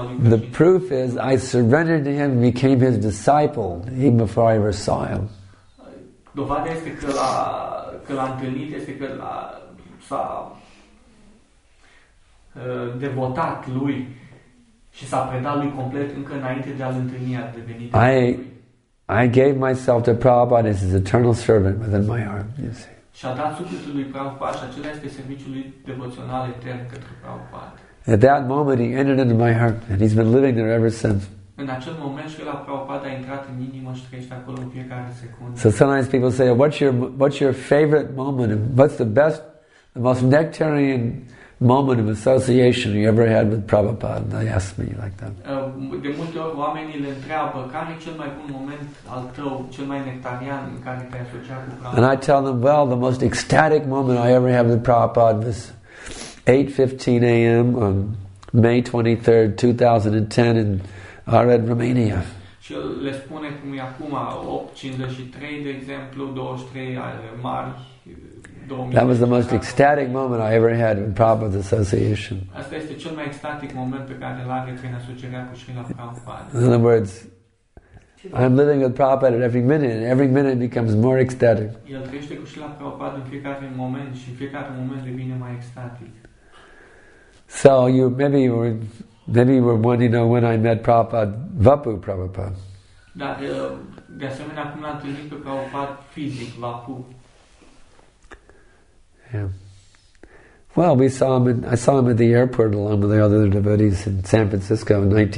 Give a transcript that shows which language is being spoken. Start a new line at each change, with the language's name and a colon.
English: The proof is I surrendered to him and became his disciple even before I ever saw him.
Romanian: Dovada este că l-am întâlnit, este că s-a devotat lui și s-a predat lui complet încă înainte de a-l întâlni, a devenit.
English: I gave myself to Prabhupada as his eternal servant within my heart, you see.
Romanian: Și-a dat sufletul lui Prabhupada și acela este serviciul lui devoțional etern către Prabhupada.
English: At that moment he entered into my heart and he's been living there ever since.
Romanian: În acel moment și la Prabhupada a intrat în inimă și trăiește acolo în fiecare secundă.
English: So sometimes people say, what's your favorite moment? What's the best, the most nectarian moment of association you ever had with Prabhupada? They ask me like that.
Romanian: De multe ori oamenii le întreabă care e cel mai bun moment al tău, cel mai nectarian în care te-ai asociat cu Prabhupada.
English: And I tell them, well, the most ecstatic moment I ever had with Prabhupada was 8:15 a.m. on May 23rd, 2010 in Arad, Romania.
Romanian: Și le spune cum e acum 8:53 de exemplu, 23 martie.
English: That was the most ecstatic moment I ever had in Prabhupada's association.
Romanian: Asta este cel mai ecstatic moment pe care l-am avut în asocierea cu Srila Prabhupada.
English: In other words, I'm living with Prabhupada at every minute, and every minute becomes more ecstatic.
Romanian: El trăiește cu Srila Prabhupada în fiecare moment și fiecare moment devine mai ecstatic.
English: So you maybe you were wondering, you know, when I met Prabhupada, Vapu Prabhupada.
Romanian: Dar de asemenea cum l-am întâlnit pe Prabhupada fizic, Vapu.
English: Yeah. Well, I saw him at the airport along with the other devotees in San Francisco in